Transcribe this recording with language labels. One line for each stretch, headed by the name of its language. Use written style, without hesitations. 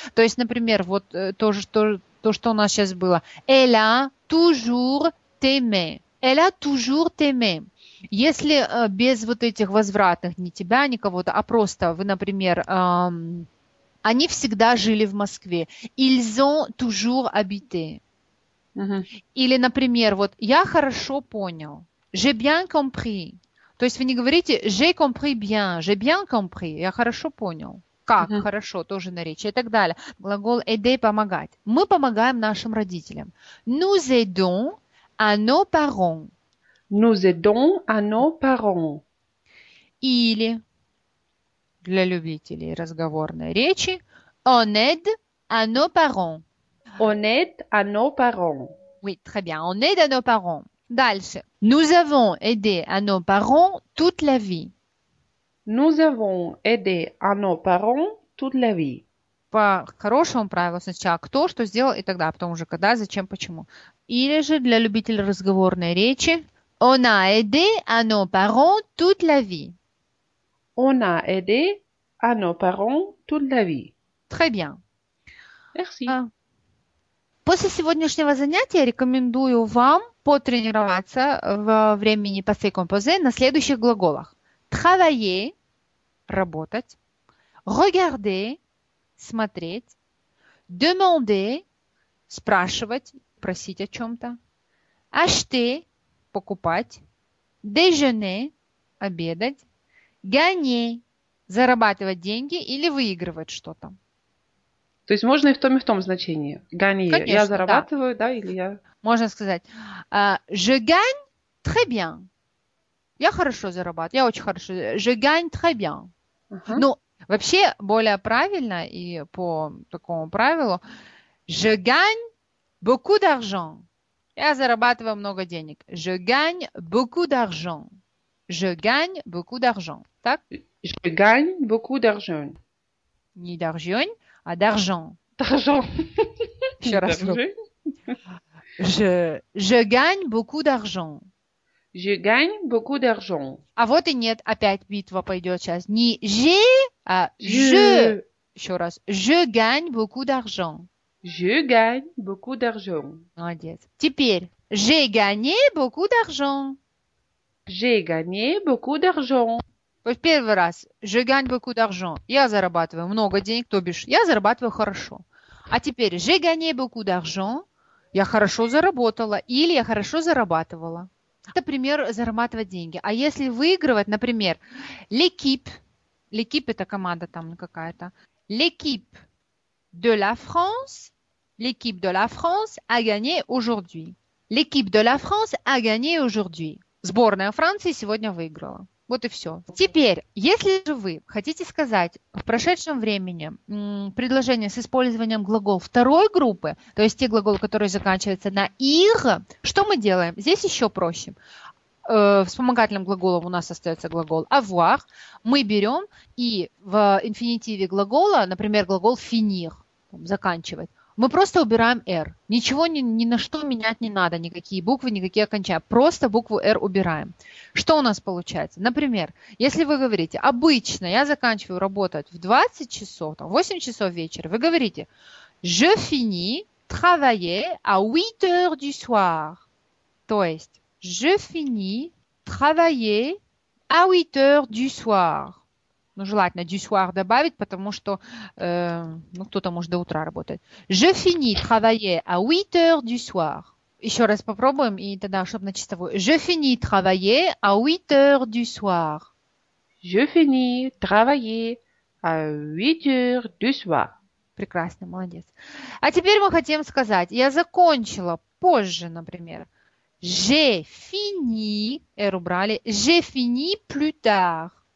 Russian: То есть, например, вот то же, что то, что у нас сейчас было.
French: Elle a toujours t'aimé. Elle a toujours t'aimé.
Russian: Если без вот этих возвратных, ни тебя, ни кого-то, а просто вы, например, они всегда жили в Москве.
French: Ils ont toujours habité.
Russian: Или, например, вот я хорошо понял.
French: J'ai bien compris.
Russian: То есть вы не говорите
French: j'ai compris bien. J'ai bien compris.
Russian: Я хорошо понял. Как хорошо, тоже наречие и так далее. Глагол aider – помогать. Мы помогаем нашим родителям.
French: Nous aidons à nos parents. Nous aidons à nos parents.
Russian: Или, для любителей разговорной речи,
French: on aide à nos parents. On aide à nos parents. Oui, très bien, on aide à nos parents.
Russian: Dальше.
French: Nous avons aidé à nos parents toute la vie. Nous avons aidé à nos parents toute la vie.
Russian: По хорошему правилу сначала кто что сделал, и тогда, а потом уже когда, зачем, почему. Или же для любителей разговорной речи
French: «On a aidé à nos parents toute la vie». On a aidé à nos parents toute la vie. Très bien. Merci.
Russian: После сегодняшнего занятия рекомендую вам потренироваться во времени passé composé на следующих глаголах. «Travailler» – работать. «Regarder» – смотреть, demander, спрашивать, просить о чем-то, acheter, покупать, déjeuner, обедать, gagner, зарабатывать деньги или выигрывать что-то. То есть можно и в том значении. Гани, я Конечно, да. зарабатываю, да, или я... Можно сказать,
French: je gagne très bien.
Russian: Я хорошо зарабатываю, я очень хорошо.
French: Je gagne très bien.
Russian: Но вообще, более правильно и по такому правилу,
French: je gagne beaucoup d'argent.
Russian: Я зарабатываю много денег.
French: Je gagne beaucoup d'argent. Je gagne beaucoup d'argent.
Russian: Так?
French: Je gagne beaucoup d'argent.
Russian: Не d'argent, а d'argent.
French: D'argent.
Russian: Еще раз.
French: D'argent. Je gagne beaucoup d'argent. Je gagne beaucoup d'argent.
Russian: А вот и нет, опять битва пойдет сейчас. Не j'ai, а
French: Je.
Russian: еще раз,
French: je gagne beaucoup d'argent. Je gagne beaucoup d'argent.
Russian: Молодец. Теперь,
French: j'ai gagné beaucoup d'argent. J'ai gagné beaucoup d'argent.
Russian: Вот первый раз,
French: je gagne beaucoup d'argent.
Russian: Я зарабатываю много денег, то бишь, я зарабатываю хорошо. А теперь,
French: j'ai gagné beaucoup d'argent.
Russian: Я хорошо заработала или я хорошо зарабатывала. Это пример зарабатывать деньги. А если выигрывать, например,
French: l'équipe, l'équipe
Russian: это команда там какая-то,
French: l'équipe de la France, l'équipe de la France a gagné aujourd'hui. L'équipe de la France a gagné aujourd'hui.
Russian: Сборная Франции сегодня выиграла. Вот и все. Теперь, если же вы хотите сказать в прошедшем времени предложение с использованием глагол второй группы, то есть те глаголы, которые заканчиваются на -ir, что мы делаем? Здесь еще проще. Вспомогательным глаголом у нас остается глагол avoir. Мы берем и в инфинитиве глагола, например, глагол finir, заканчивать, мы просто убираем r. Ничего ни на что менять не надо, никакие буквы, никакие окончания. Просто букву r убираем. Что у нас получается? Например, если вы говорите, обычно я заканчиваю работать в 20 часов, там, 8 часов вечера, вы говорите,
French: je finis travailler à 8 heures du soir.
Russian: То есть,
French: je finis travailler à 8 heures du soir.
Russian: Ну, желательно du soir добавить, потому что ну, кто-то может до утра работать.
French: Je finis travailler à 8 heures du soir.
Russian: Еще раз попробуем, и тогда, чтобы на чистовую.
French: Je finis travailler à 8 heures du soir. Je finis travailler à 8 heures du soir.
Russian: Прекрасно, молодец. А теперь мы хотим сказать, я закончила позже, например.
French: J'ai fini,
Russian: R убрали,
French: j'ai fini plus tard.